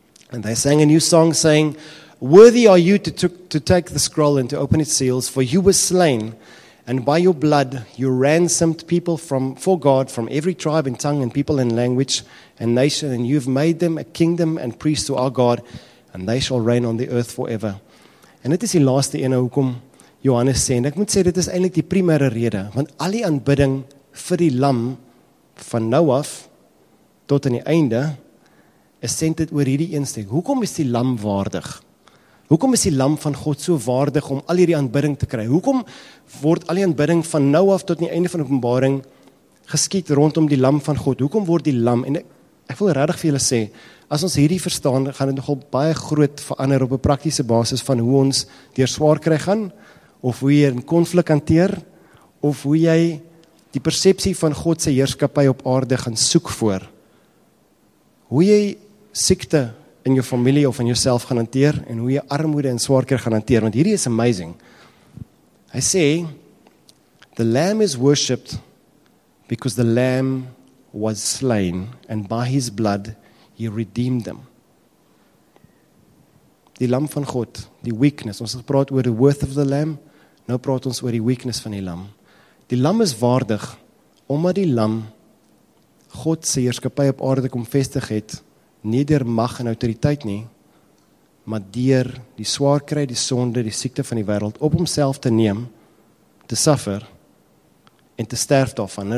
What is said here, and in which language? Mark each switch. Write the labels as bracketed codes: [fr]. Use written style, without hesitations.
[en] And they sang a new song saying, worthy are you to take the scroll and to open its seals, for you were slain, and by your blood you ransomed people for God from every tribe and tongue and people and language and nation, and you have made them a kingdom and priests to our God, and they shall reign on the earth forever. [af] En dit is die laaste ene hoekom Johannes sê, en ek moet sê, dit is eintlik die primêre rede, want al die aanbidding vir die lam, van nou af, tot in die einde, is centered oor hierdie eensteek. Hoekom is die lam waardig? Hoekom is die lam van God so waardig om al hierdie aanbidding te kry? Hoekom word al die aanbidding van nou af tot die einde van openbaring geskied rondom die lam van God? Hoekom word die lam, en ek wil regtig vir julle sê, as ons hierdie verstaan, gaan dit nogal baie groot verander op 'n praktiese basis van hoe ons deur swaar kry gaan, of hoe jy in konflik hanteer, of hoe jy die persepsie van God se heerskappy op aarde gaan soek voor. Hoe jy siekte in jou familie of in jouself gaan hanteer, en hoe jy armoede en swaarkry gaan hanteer, want hierdie is amazing. Hy sê, [en] the lamb is worshipped because the lamb was slain, and by his blood he redeemed them. [af] Die lam van God, die weakness, ons het praat oor [en] the worth of the lamb, [af] nou praat ons oor die weakness van die lam. Die lam is waardig, omdat die lam God se heerskappy op aarde kom vestig het, nie deur mag en autoriteit nie, maar deur die swaarkry, die sonde, die siekte van die wêreld op homself te neem, te suffer en te sterf daarvan.